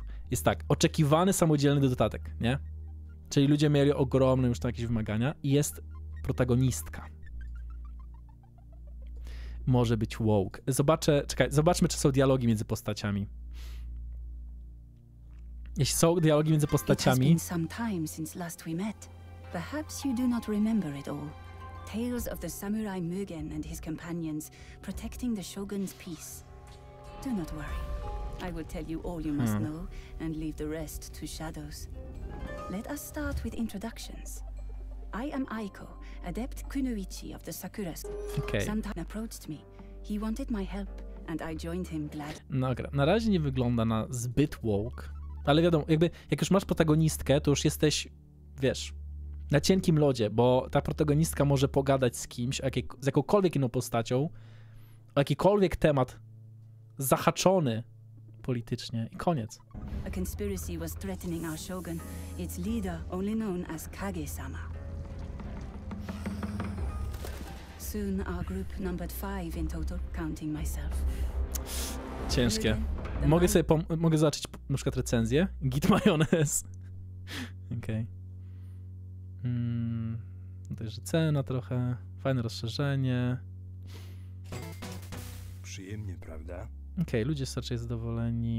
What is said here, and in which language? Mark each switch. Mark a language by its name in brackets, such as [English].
[Polish] Jest tak, oczekiwany samodzielny dodatek, nie? Czyli ludzie mieli ogromne już tam jakieś wymagania i jest protagonistka. Może być woke. Zobaczmy, czy są dialogi między postaciami. Jeśli są dialogi między postaciami... [English] It has been some time since last we met. Perhaps you do not remember it all. Tales of the samurai Mugen and his companions protecting the shogun's peace. Do not worry. I will tell you all you must know and leave the rest to shadows. Let us start with introductions. I am Aiko, adept Kunoichi of the Sakura. Okay. Santana approached me. He wanted my help and I joined him gladly. [Polish] Na razie nie wygląda na zbyt woke. ale wiadomo, jakby jak już masz protagonistkę, to już jesteś, wiesz, na cienkim lodzie, bo ta protagonistka może pogadać z kimś, z jakąkolwiek inną postacią, o jakikolwiek temat zahaczony politycznie i koniec. [English] A conspiracy was threatening our shogun, its leader only known as Kage-sama. Soon our group numbered 5 in total, counting myself. [Polish] Ciężkie. Mogę zobaczyć na przykład recenzję? Git majonez. Okej. Okay. Tutaj jest cena trochę. Fajne rozszerzenie. Przyjemnie, prawda? Okej, okay, ludzie są raczej zadowoleni.